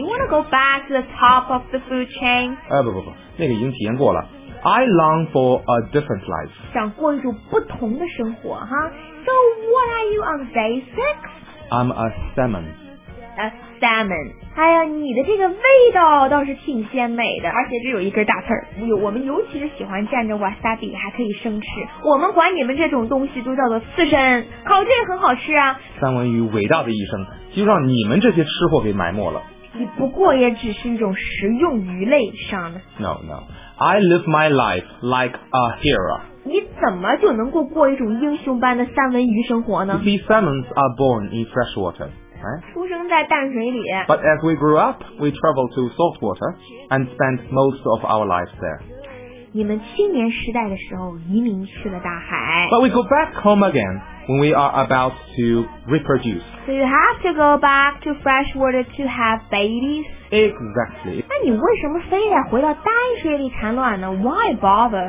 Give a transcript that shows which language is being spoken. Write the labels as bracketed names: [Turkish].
[English] Go back to the top of the food chain. [Chinese] 哎，不不不，那个已经体验过了。 [English] I long for a different life. [Chinese] 想过一种不同的生活哈。 [English] So what are you on day six? I'm a salmon. A salmon. [Chinese] 哎呀，你的这个味道倒是挺鲜美的，而且这有一根大刺儿。我们尤其是喜欢蘸着 wasabi 还可以生吃。我们管你们这种东西都叫做刺身，烤着也很好吃啊。三文鱼伟大的一生，就让你们这些吃货给埋没了。你不过也只是一种食用鱼类上的。 [English] No, no. I live my life like a hero. [Chinese] 你怎么就能够过一种英雄般的三文鱼生活呢？ [English] These salmons are born in fresh water.、Right? [Chinese] 出生在淡水里。 [English] But as we grew up, we traveled to salt water and spent most of our lives there. [Chinese] 你们青年时代的时候移民去了大海。 [English] But we go back home again. When we are about to reproduce. So you have to go back to fresh water to have babies? Exactly. [Chinese] 那你为什么非得回到淡水里产卵呢? [English] Why bother?